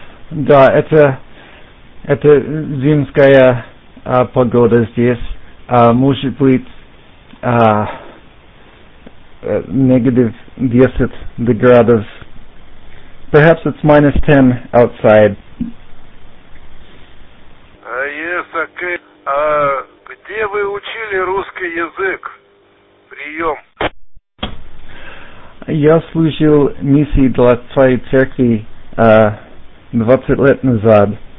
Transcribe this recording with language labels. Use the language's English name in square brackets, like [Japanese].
[Russian] Да, это зимская погода здесь. [English] Может быть negative 10 degrees. Perhaps it's minus 10 outside. Yes, okay. [Russian] Где вы учили русский язык? Прием. Я служил миссии для твоей церкви 20 лет назад.